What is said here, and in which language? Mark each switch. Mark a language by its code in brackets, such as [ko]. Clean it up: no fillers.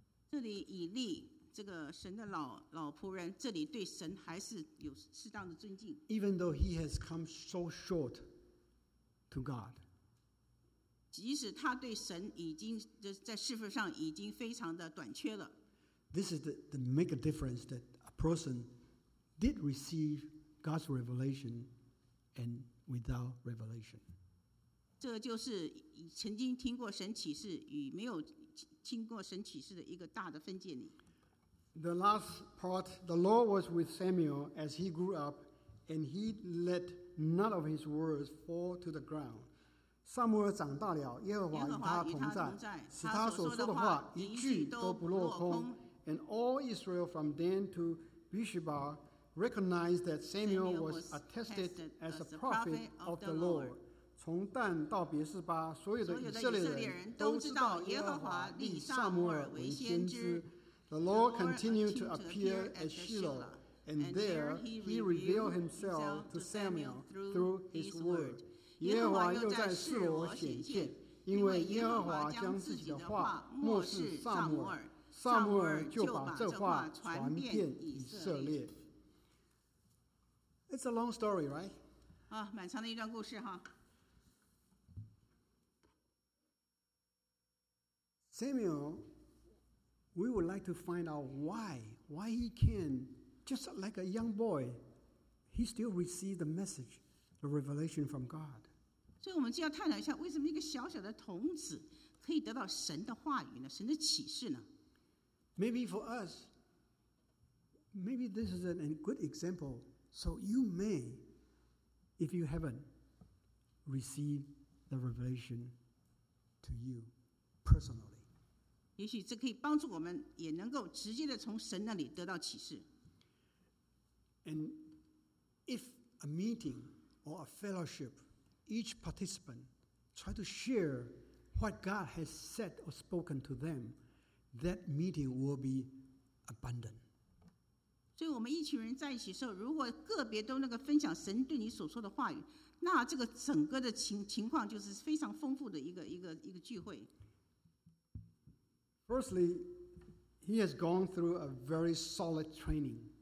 [zh] 这里以利这个神的老仆人，这里对神还是有适当的尊敬。 [en] Even though he has come so short to God. [zh] 即使他对神已经在侍奉上已经非常的短缺了。 [en] This is the make a difference that a person did receive God's revelation and without revelation. [zh] 这就是曾经听过神启示与没有听过神启示的一个大的分界点。 [en] The last part, the Lord was with Samuel as he grew up, and he let none of his words fall to the ground. [zh] 撒母耳长大了，耶和华与他同在，使他所说的话一句都不落空。 [en] And all Israel from Dan to Beersheba recognized that Samuel was attested as a prophet of the Lord. [zh] 从但到别示巴，所有的以色列人都知道耶和华立撒母耳为先 [en] 知。The Lord continued to appear at Shiloh, and there he revealed himself to Samuel through his word. [zh] 耶和华又在示罗显现，因为耶和华将自己的话默示撒母耳。撒母耳就把这话传遍以色列。 [en] It's a long story, right? [zh] 啊，蛮长的一段故事哈。 [en] Samuel, we would like to find out why he can, just like a young boy, he still receive the message, the revelation from God. [zh] 所以我们就要探讨一下，为什么一个小小的童子可以得到神的话语呢？神的启示呢？ [en] Maybe for us, maybe this is a good example. So you may, if you haven't, receive the revelation to you personally. [zh] 也许这可以帮助我们，也能够直接的从神那里得到启示。 [en] And if a meeting or a fellowship, each participant try to share what God has said or spoken to them. That meeting will be abundant. [zh] 所以我们一群人在一起的时候，如果个别都能够分享神对你所说的话语，那这个整个的情况就是非常丰富的一个聚会。 [en] Firstly, he has gone through a very solid training.